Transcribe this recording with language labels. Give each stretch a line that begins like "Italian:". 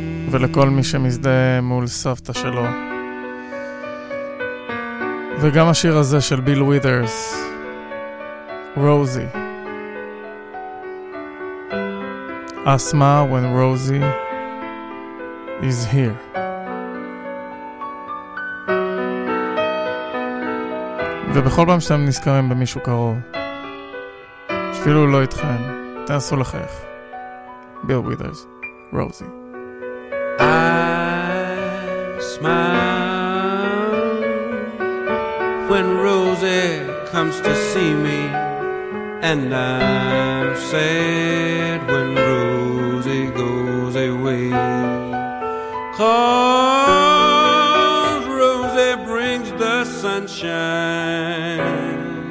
Hebrew: ולכל מי שמזדהה מול סבתא שלו. וגם השיר הזה של ביל ווידרס, רוזי.
English: אסמה, when Rosie is here.
Hebrew: ובכל פעם שאתם נזכרים במישהו קרוב, אפילו לא איתכם, תנסו לחייך. ביל ווידרס, רוזי.
English: I smile when Rosie comes to see me, and I'm sad when Rosie goes away, 'cause Rosie brings the sunshine.